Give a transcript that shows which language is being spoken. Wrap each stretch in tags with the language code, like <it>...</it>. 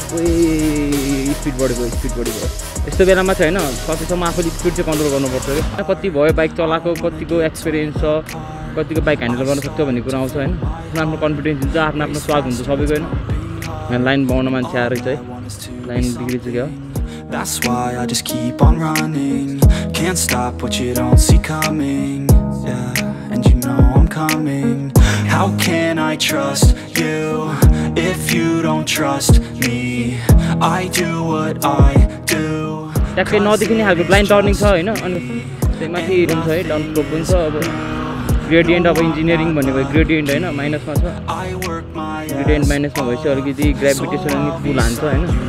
<ne>ओइ स्पिड बढेको, स्पिड बढेको. यस्तो बेलामा चाहिँ होइन, सकेसम्म आफूले स्पिड चाहिँ कन्ट्रोल गर्नुपर्छ कि. कति भयो बाइक चलाएको, कतिको एक्सपिरियन्स छ, कतिको बाइक ह्यान्डल गर्न सक्छ भन्ने कुरा आउँछ होइन. आफ्नो आफ्नो कन्फिडेन्स हुन्छ, आफ्नो आफ्नो स्वाग हुन्छ सबैको होइन. लाइन बनाउन मान्छे आएर चाहिँ लाइन बिग्रि चाहिँ क्या.</ne> <en>That's why I just keep on running. Can't stop what you don't see coming. Yeah, and you know I'm coming. How can I trust you if you don't trust me? I do what I do.</en> <ne>त्यसले नदेखिने खालको blind turning छ होइन. अनि त्यहीमाथि room छ है, down slope पनि छ. अब ग्रेडियन्ट, अब इन्जिनियरिङ भन्ने भयो ग्रेडियन्ट होइन, माइनसमा छ. ग्रेडियन्ट माइनसमा भएपछि अलिकति ग्राभिटेसन अनि पुल हान्छ होइन.</ne>